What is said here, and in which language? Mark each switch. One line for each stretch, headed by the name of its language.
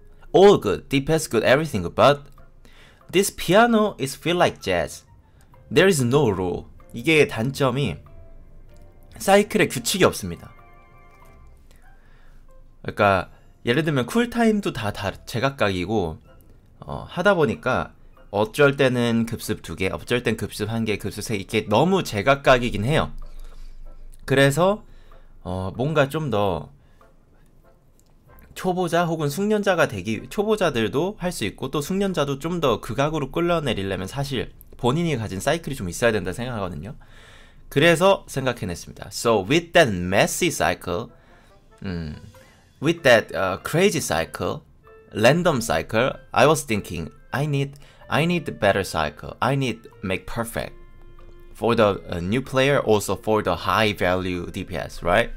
English: All good, DPS good, everything good, but this piano is feel like jazz. There is no rule.
Korean: 이게 단점이 사이클에 규칙이 없습니다. 그러니까 예를 들면 쿨타임도 다 제각각이고 하다 보니까 어쩔 때는 급습 두 개, 어쩔 땐 급습 한 개, 급습 세 개 이게 너무 제각각이긴 해요. 그래서 뭔가 좀 더 초보자 혹은 숙련자가 되기 초보자들도 할 수 있고 또 숙련자도 좀 더 극악으로 끌어내리려면 사실 본인이 가진 사이클이 좀 있어야 된다 생각하거든요. 그래서 생각해냈습니다.
English: So with that messy cycle, with that crazy cycle, random cycle, I was thinking I need better cycle. I need make perfect for the new player, also for the high value DPS, right?